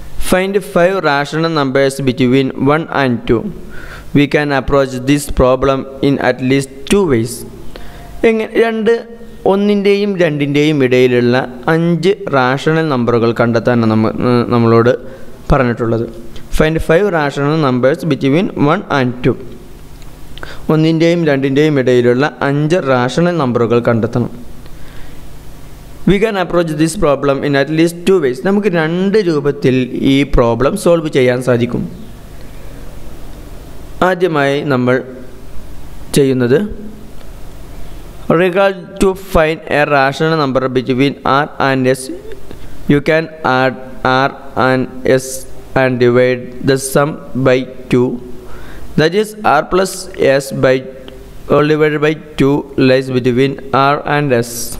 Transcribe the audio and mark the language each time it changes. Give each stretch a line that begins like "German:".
English: Find 5 rational numbers between 1 and 2. We can approach this problem in at least 2 ways.
Malayalam: രണ്ട് ഒന്നിൻ്റെയും രണ്ടിൻ്റെയും ഇടയിലുള്ള 5 rational നമ്പറുകൾ കണ്ടെത്താനാണ് നമ്മളോട് പറഞ്ഞിട്ടുള്ളത്.
English: Find 5 rational numbers between 1 and 2.
Malayalam: ഒന്നിൻ്റെയും രണ്ടിൻ്റെയും ഇടയിലുള്ള 5 റാഷണൽ നമ്പറുകൾ കണ്ടെത്തണം.
English: We can approach this problem in at least two ways.
Malayalam: നമുക്ക് രണ്ട് രൂപത്തിൽ ഈ പ്രോബ്ലം സോൾവ് ചെയ്യാൻ സാധിക്കും. ആദ്യമായി നമ്മൾ ചെയ്യുന്നത്
English: Regard to find a rational number between R and S, you can add R and S and divide the sum by two, that is R plus S by whole divide by two lies between R and S.